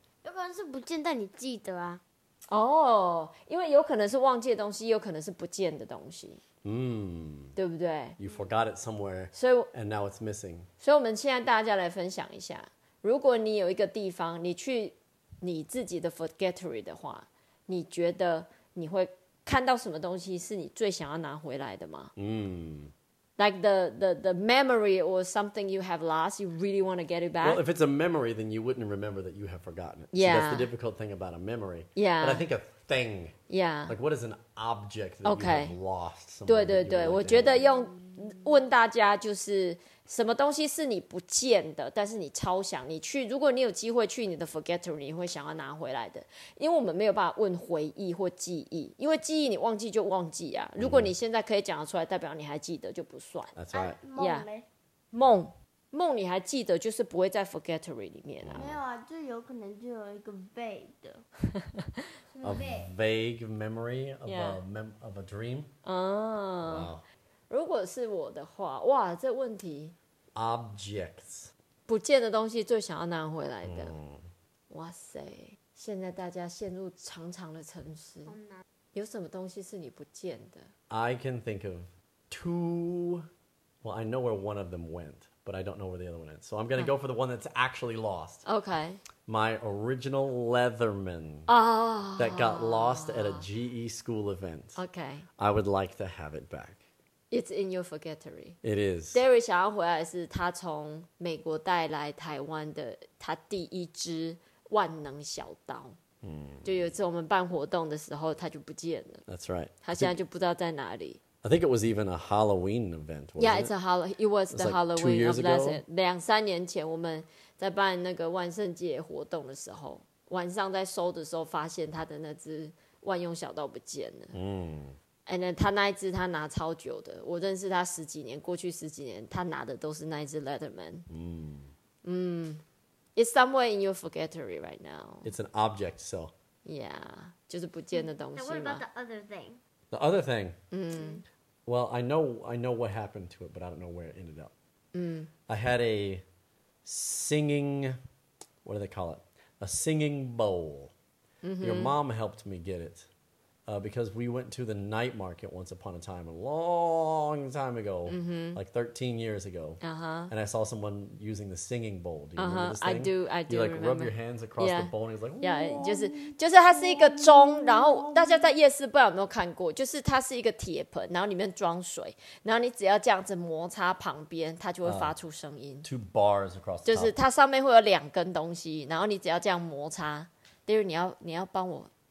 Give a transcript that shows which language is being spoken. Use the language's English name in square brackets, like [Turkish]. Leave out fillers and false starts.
[Chinese] 有可能是不见但你记得啊。哦、因为有可能是忘记的东西有可能是不见的东西。对不对 [English] ?You forgot it somewhere, and now it's missing. [Chinese] 所以我们现在大家来分享一下。如果你有一个地方你去你自己的 forgettery 的话，你觉得你会看到什么东西是你最想要拿回来的吗？ [English] Like the memory or something you have lost, you really want to get it back? Well, if it's a memory, then you wouldn't remember that you have forgotten it. Yeah. So that's the difficult thing about a memory. Yeah. But I think a thing. Yeah. Like what is an object that okay. you have lost? [Chinese] 对,我觉得用问大家就是什么东西是你不见的，但是你超想你去，如果你有机会去你的 forgettery, 你会想要拿回来的。因为我们没有办法问回忆或记忆，因为记忆你忘记就忘记啊。如果你现在可以讲得出来，代表你还记得就不算。 [English] That's right. [Chinese] 梦、yeah. 没？梦，梦你还记得，就是不会在 forgettery 里面啊。没有啊，就有可能就有一个 vague 的。 [English] A vague memory of,、 yeah. of a dream? 啊、 wow. [Chinese] 如果是我的话，哇，这问题。 [English] Objects， [Chinese] 不见的东西最想要拿回来的。哇塞，现在大家陷入长长的沉思。有什么东西是你不见的 [English] ？I can think of two. Well, I know where one of them went, but I don't know where the other one is. So I'm gonna go for the one that's actually lost. Okay. My original Leatherman、 oh. that got lost at a GE school event. Okay. I would like to have it back. It's in your forgettery. It is. [Chinese] Derry 想要回来是他从美国带来台湾的他第一支万能小刀。嗯、 mm. ，就有一次我们办活动的时候，他就不见了。 [English] That's right. [Chinese] 他现在就不知道在哪里。 [English] I think it was even a Halloween event. Yeah, it's a Halloween. It was the Halloween. Two years ago. [Chinese] 两三年前，我们在办那个万圣节活动的时候，晚上在收的时候，发现他的那支万用小刀不见了。嗯、mm.。 [English] And then [Chinese] 他那一支他拿超久的，我认识他十几年，过去十几年他拿的都是那一支 Leatherman. Mm. Mm. [English] It's somewhere in your forgettery right now. It's an object, so. Yeah, 就是不见的东西嘛。 And what about the other thing? The other thing? Mm. Well, I know what happened to it, but I don't know where it ended up. Mm. I had a singing, what do they call it? A singing bowl. Mm-hmm. Your mom helped me get it. Because we went to the night market once upon a time, a long time ago,、 mm-hmm. like 13 years ago,、 uh-huh. and I saw someone using the singing bowl. Do you、 uh-huh. remember this thing? I do. You like、 remember. Rub your hands across、 yeah. the bowl, and he's like,、 Whoa. [Chinese] Yeah, 就是它是一个钟，然后大家在夜市不知道有没有看过，就是它是一个铁盆，然后里面装水，然后你只要这样子摩擦旁边，它就会发出声音。 [English] Two bars across the [Chinese] top. 就是它上面会有两根东西，然后你只要这样摩擦，等于你要帮我。